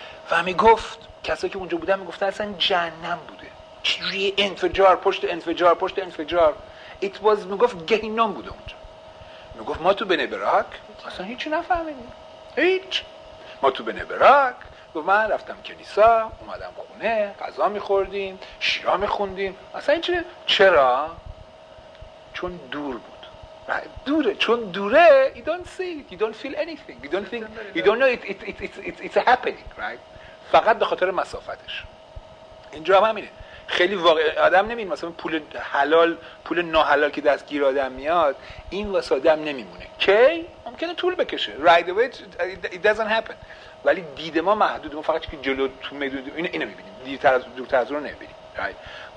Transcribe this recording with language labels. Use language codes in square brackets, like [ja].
[fa] و میگفت کسایی که اونجا بودن میگفتن اصلا جهنم بوده، چجوری انفجار پشت انفجار پشت انفجار، [en] it was [fa] میگفت گهنم بوده اونجا. میگفت ما تو بنی براک اصلا هیچی نفهمیدیم، هیچ. ما تو بنی براک و من رفتم کلیسا، اومدم خونه، غذا میخوردیم، شیرا میخوندیم، اصلا هیچی. چرا؟ چون دور بود، دوره، چون دوره [en] you don't see it, you don't feel anything, you don't think, you don't know it's happening, right? [fa] فقط به خاطر مسافتش. اینجا هم همینه، خیلی واقع آدم نمیدونه مثلا پول حلال پول ناحلال که دستگیر آدم میاد این واسه آدم نمیمونه، کی؟ ممکنه طول بکشه، [en] right away it doesn't happen. [fa] ولی دید ما محدود، ما فقط که جلو تو میدونه اینو میبینیم، دیرتر از دورتر از رو نمیبینیم، right.